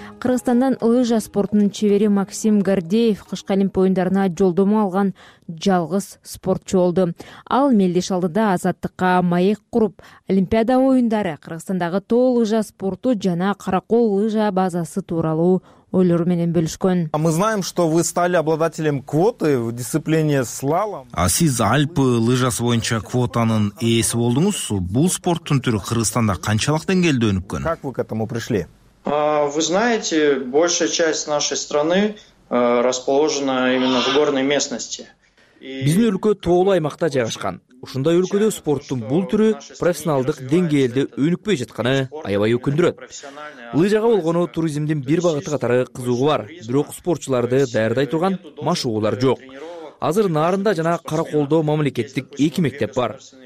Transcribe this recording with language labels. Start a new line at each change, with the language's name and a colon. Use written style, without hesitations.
Kyrgyz: Кыргызстандан лыжа спортунун чевери Максим Гордеев кышкы олимп оюндарына жолдомо алган жалгыз спортчу болду. Ал мелдеш алдыда азаттыкка маек куруп, олимпиада оюндары, Кыргызстандагы тоо лыжа спорту жана каракол лыжа базасы тууралуу ойлор менен бөлүшкөн.
Russian: Мы знаем, что вы стали обладателем квоты в дисциплине слалом.
Kyrgyz: А сиз Альпы лыжасы боюнча квотанын ээси болдуңуз. Бул спорттун түрү Кыргызстанда канчалык деңгээлде өнүккөн?
Russian: Как вы к этому пришли? Вы знаете, большая часть нашей страны расположена именно в горной местности.
Kyrgyz: Биздин өлкө тоолуу аймакта жайгашкан. Ушундай өлкөдө спорттун бул түрү профессионалдык деңгээлде өнүкпөй жатканы аябай өкүндүрөт. Лыжага болгону туризмдин бир багыты катары кызыгуу бар, бирок спортчуларды даярдай турган машыгуулар жок. Азыр Нарында жана Караколдо мамлекеттик эки мектеп бар.